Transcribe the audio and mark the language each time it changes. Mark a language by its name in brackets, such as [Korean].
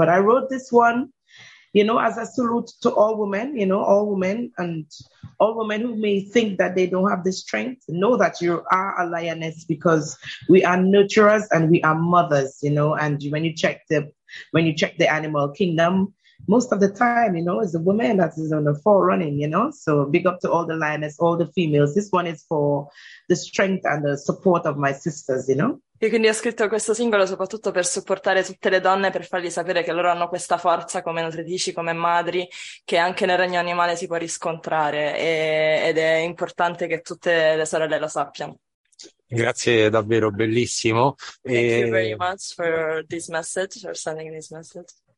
[English] But I wrote this one, you know, as a salute to all women, you know, all women, and all women who may think that they don't have the strength, know that you are a lioness, because we are nurturers and we are mothers, you know. And when you check the animal kingdom, most of the time, you know, it's a woman that is on the forerunning, you know. So big up to all the lioness, all the females. This one is for the strength and the support of my sisters, you know. [Italian] E quindi ho scritto questo singolo soprattutto per supportare tutte le donne, per fargli sapere che loro hanno questa forza come nutritrici, come madri, che anche nel regno animale si può riscontrare, ed è importante che tutte le sorelle lo sappiano. Grazie, davvero bellissimo. [English] Thank you very much for this message, for sending this message.